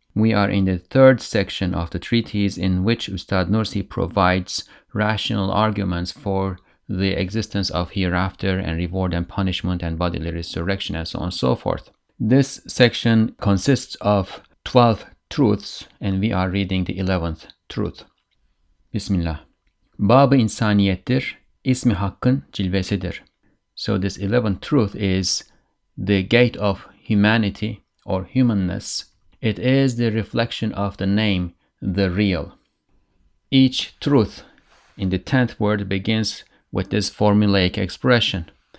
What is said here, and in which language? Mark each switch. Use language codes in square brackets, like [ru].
[en] We are in the third section of the treatise in which Ustad Nursi provides rational arguments for the existence of hereafter and reward and punishment and bodily resurrection and so on and so forth. This section consists of 12 truths and we are reading the 11th truth. [ar] Bismillah. [tr] Bab-ı insaniyettir, ismi hakkın cilvesidir. [en] So this 11th truth is the gate of humanity or humanness. It is the reflection of the name, the real. Each truth in the 10th word begins with this formulaic expression.